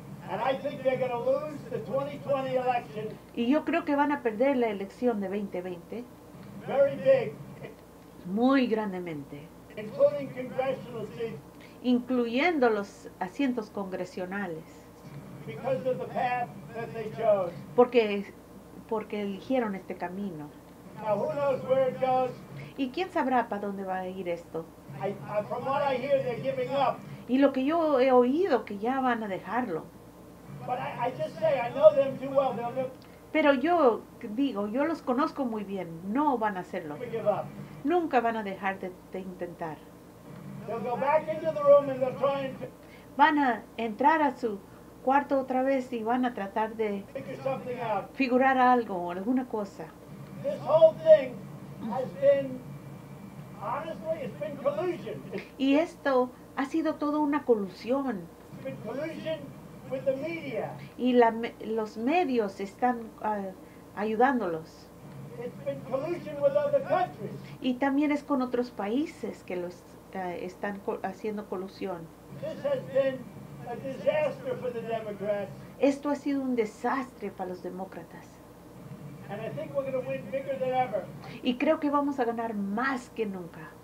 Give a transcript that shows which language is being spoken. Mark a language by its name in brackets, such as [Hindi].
[English] And I think they're going to lose the 2020 election. [Spanish] Y yo creo que van a perder la elección de 2020. [English] Very big. [Spanish] Muy grandemente. [English] Including congressional seats. [Spanish] Incluyendo los asientos congresionales. [English] Because of the path that they chose. [Spanish] Porque eligieron este camino. [English] Now, who knows where it goes? [Spanish] ¿Y quién sabrá para dónde va a ir esto? [English] From what I hear, they're giving up. [Spanish] Y lo que yo he oído, que ya van a dejarlo. [English] But I just say, I know them too well. [Spanish] Pero yo digo, yo los conozco muy bien, no van a hacerlo. Nunca van a dejar de intentar. [English] They'll go back into the room and they'll try and [Spanish] van a entrar a su cuarto otra vez y van a tratar de figurar algo o alguna cosa. [English] This whole thing has been, honestly, it's been collusion. [Spanish] Y esto ha sido todo una colusión. [English] It's been collusion with the media. [Spanish] Y los medios están ayudándolos. [English] It's been collusion with other countries. [Spanish] Y también es con otros países que los están haciendo colusión. [English] This has been a disaster for the Democrats. [Spanish] Esto ha sido un desastre para los demócratas. [English] And I think we're going to win bigger than ever. [Spanish] Y creo que vamos a ganar más que nunca.